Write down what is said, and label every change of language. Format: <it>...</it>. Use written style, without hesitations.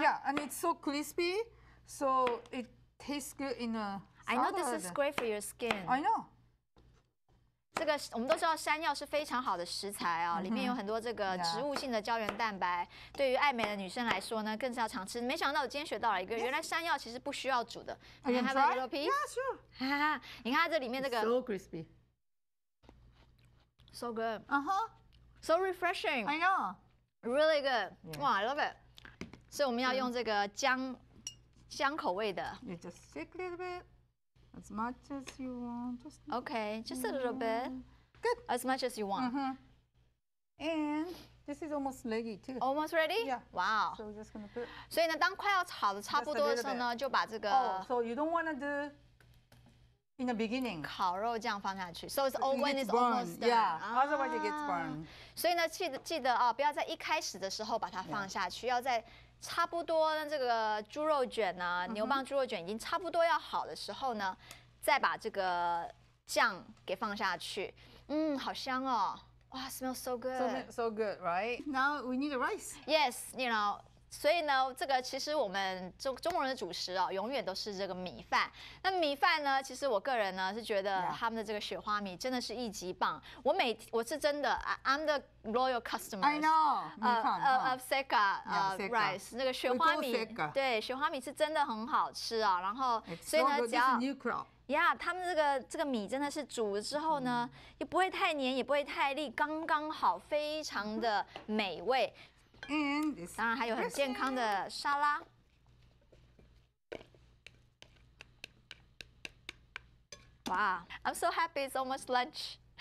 <en>Yeah, and it's so crispy, so it tastes good in a salad. I know this is great for your skin. I know.</en> <zh>这个我们都知道，山药是非常好的食材啊、哦，里面有很多这个植物性的胶原蛋白。对于爱美的女生来说呢，更是要常吃。没想到我今天学到了一个，原来山药其实不需要煮的。你看它的肉皮，哈哈，你看它这里面这个</zh> <en>，so crispy, so good, uh-huh, so refreshing, I know, really good, wow, I love it.</en> <zh>所以我们要用这个姜口味的。</zh> <en>You just shake a little bit. As much as you want. Just okay, just a little bit. Good. As much as you want.、 Uh-huh. And this is almost ready too. Almost ready? Yeah. Wow. So we're just gonna put.</en> <zh>所以呢，当快要炒的差不多的时候呢，就把这个。</zh> <en>Oh, so you don't wanna do in the beginning.</en> <zh>烤肉酱放下去。</zh> <en>So it's all when it's almost done. Yeah. Otherwise it gets burned.</en> <zh>所以呢，记得啊、哦，不要在一开始的时候把它放下去， yeah. 要在。差不多呢，这个猪肉卷呢，牛蒡猪肉卷已经差不多要好的时候呢，再把这个酱给放下去。嗯，好香哦！哇 ，</zh> <en>smells so good. So good, right? Now we need the rice. Yes, you know.</en> <zh>所以呢，这个其实我们中国人的主食哦，永远都是这个米饭。那米饭呢，其实我个人呢是觉得他们的这个雪花米真的是一级棒。我是真的</zh> <en>，I'm the loyal customer. I know.</en> <zh>Of Seka, rice 那个雪花米，对，雪花米是真的很好吃啊、哦。然后，</zh> <en>It's、</en> <zh>所以呢，</zh> <en>so、</en> <zh>只要</zh> <en>This is new crop.</en> <zh>Yeah, 他们这个米真的是煮了之后呢， mm. 也不会太黏，也不会太粒，刚刚好，非常的美味。</zh> <en>And this</en> <zh>当然还有很健康的沙拉。</zh> <en>哇、wow, ，I'm so happy it's almost lunch.</en>